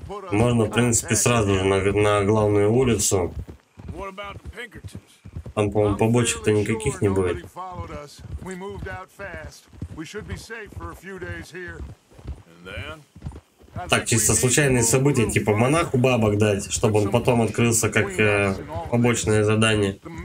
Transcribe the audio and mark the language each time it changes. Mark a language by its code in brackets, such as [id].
[ru] Можно, в принципе, сразу же на главную улицу. [en] What about the Pinkertons? [ru] Там, по-моему, побочек-то никаких не будет. [en] Followed us. We moved out fast. We should be safe for a few days here. And then? [ru] Так, чисто случайные события, типа монаху бабок дать, чтобы он потом открылся как побочное задание.